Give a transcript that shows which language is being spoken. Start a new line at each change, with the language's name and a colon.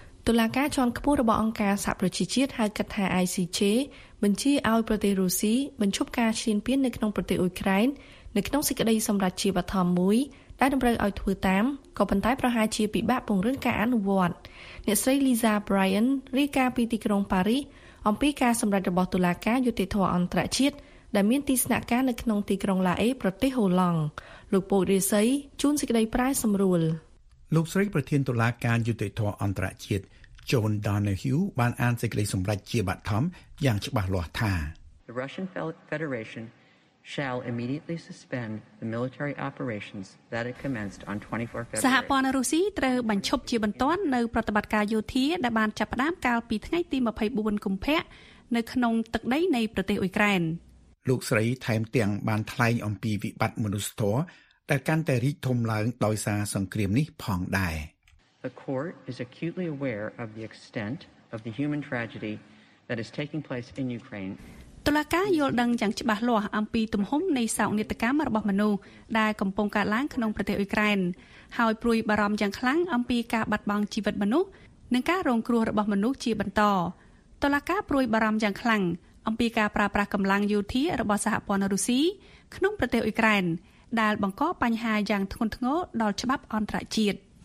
Khmer: តុលាការជាន់ខ្ពស់របស់អង្គការសហប្រជាជាតិហៅកាត់ថា ICJ បញ្ជាឲ្យប្រទេសរុស្ស៊ីបញ្ឈប់ការឈ្លានពាននៅក្នុងប្រទេសអ៊ុយក្រែននៅក្នុងសេចក្តីសម្រេចជាបឋមមួយដែលតម្រូវឲ្យធ្វើតាមក៏ប៉ុន្តែប្រហែលជាពិបាកពង្រឹងការអនុវត្តអ្នកស្រី Lisa Bryan រាយការណ៍ពីទីក្រុងប៉ារីសអំពីការសម្រេចរបស់តុលាការយុតិធម៌អន្តរជាតិដែលមានទីស្នាក់ការនៅក្នុងទីក្រុងឡាអេប្រទេសហូឡង់លោកពូរីស័យជួនសេចក្តីប្រែសម្រួល លោកស្រីប្រធានតុលាការយុតិធម៌អន្តរជាតិ John Donahue បានអានសេចក្តីសម្រេចជាបឋមយ៉ាងច្បាស់លាស់ថា
English: The Russian Federation shall immediately suspend the military operations that it commenced on 24 February.
Khmer: សហព័ន្ធរុស្ស៊ីត្រូវបញ្ឈប់ជាបន្ទាន់នៅប្រតិបត្តិការយោធាដែលបានចាប់ផ្ដើមកាលពីថ្ងៃទី24កុម្ភៈនៅក្នុងទឹកដីនៃប្រទេសអ៊ុយក្រែន លោកស្រីថែមទាំងបានថ្លែងអំពីវិបត្តិមនុស្សធម៌ដែលកាន់តែរីកធំឡើងដោយសារសង្គ្រាមនេះផងដែរ
English: The court is acutely aware of the extent of the human tragedy that is taking place in Ukraine.
Khmer: តុលាការយល់ដឹងយ៉ាងច្បាស់លាស់អំពីទំហំនៃសោកនាដកម្មរបស់មនុស្សដែលកំពុងកើតឡើងក្នុងប្រទេសអ៊ុយក្រែនហើយព្រួយបារម្ភយ៉ាងខ្លាំងអំពីការបាត់បង់ជីវិតមនុស្សនិងការរងគ្រោះរបស់មនុស្សជាបន្តតុលាការព្រួយបារម្ភយ៉ាងខ្លាំងអំពីការប្រើប្រាស់កម្លាំងយោធារបស់សហព័ន្ធរុស្ស៊ីក្នុងប្រទេសអ៊ុយក្រែនដែលបង្កបញ្ហាយ៉ាងធ្ងន់ធ្ងរដល់ច្បាប់អន្តរជាតិ